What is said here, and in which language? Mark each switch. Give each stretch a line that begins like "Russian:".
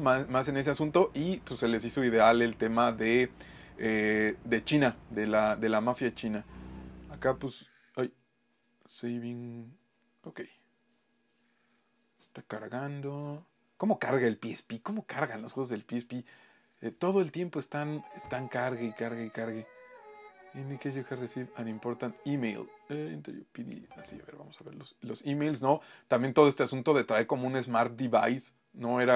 Spanish: Más en ese asunto, y pues se les hizo ideal el tema de China, de la mafia china. Acá pues... ¡Ay! Saving... Ok. Está cargando... ¿Cómo carga el PSP? ¿Cómo cargan los juegos del PSP? Todo el tiempo están cargue y cargue y cargue.
English: Indicate you have received an important email.
Spanish: Así, a ver, vamos a ver los emails, ¿no? También todo este asunto de traer como un smart device, ¿no?